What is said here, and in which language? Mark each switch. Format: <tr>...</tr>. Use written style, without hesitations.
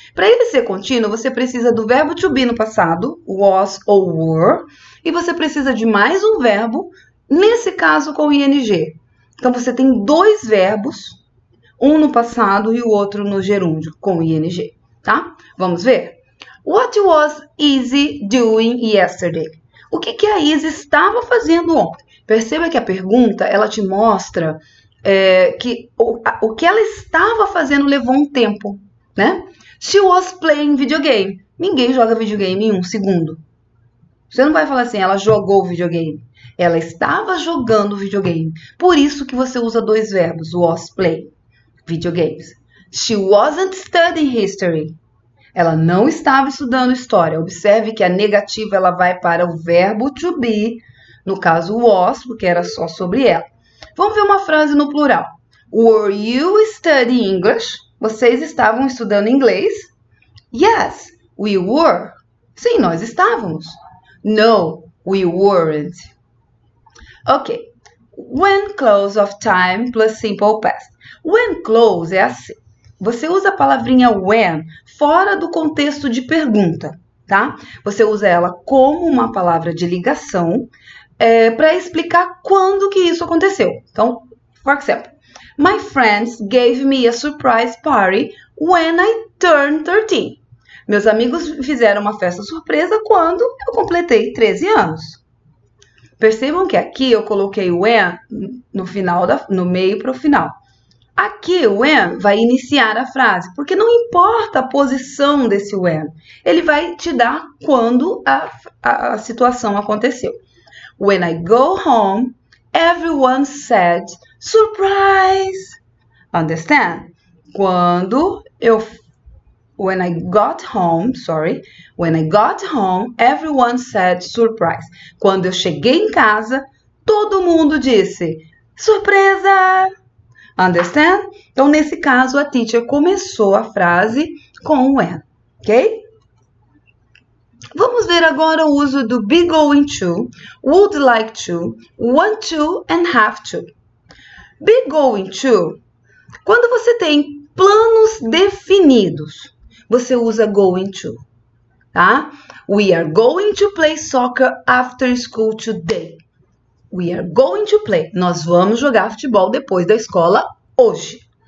<pt>Para ele ser contínuo, você precisa do verbo to be no passado, was ou were, e você precisa de mais um verbo, nesse caso com ing. Então você tem dois verbos, um no passado e o outro no gerúndio, com ing, tá? Vamos ver.</pt> <en>What was Izzy doing yesterday?</en> <pt>O que que a Izzy estava fazendo ontem? Perceba que a pergunta, ela te mostra que ela estava fazendo levou um tempo, né?</pt> <en>She was playing videogame.</en> <pt>Ninguém joga videogame em um segundo. Você não vai falar assim, ela jogou videogame. Ela estava jogando videogame. Por isso que você usa dois verbos, was play, videogames.</pt> <en>She wasn't studying history.</en> <pt>Ela não estava estudando história. Observe que a negativa ela vai para o verbo to be, no caso was, porque era só sobre ela. Vamos ver uma frase no plural.</pt> <en>Were you studying English?</en> <pt>Vocês estavam estudando inglês?</pt> <en>Yes, we were.</en> <pt>Sim, nós estávamos.</pt> <en>No, we weren't. Ok. When close of time plus simple past. When close</en> <pt>é assim. Você usa a palavrinha when fora do contexto de pergunta, tá? Você usa ela como uma palavra de ligação, para explicar quando que isso aconteceu. Então, por exemplo,</pt> <en>My friends gave me a surprise party when I turned 13.</en> <pt>Meus amigos fizeram uma festa surpresa quando eu completei 13 anos. Percebam que aqui eu coloquei o when no final no meio para o final. Aqui o when vai iniciar a frase, porque não importa a posição desse when, ele vai te dar quando a situação aconteceu.</pt> <en>When I go home, everyone said surprise. Understand?</en> <pt>Quando eu</pt> <en>When I got home, sorry, when I got home, everyone said surprise.</en> <pt>Quando eu cheguei em casa, todo mundo disse surpresa!</pt> <en>Understand?</en> <pt>Então, nesse caso, a teacher começou a frase com o when, ok? Vamos ver agora o uso do be going to, would like to, want to and have to. Be going to, quando você tem planos definidos. Você usa going to, tá?</pt> <en>We are going to play soccer after school today. We are going to play.</en> <pt>Nós vamos jogar futebol depois da escola hoje.</pt>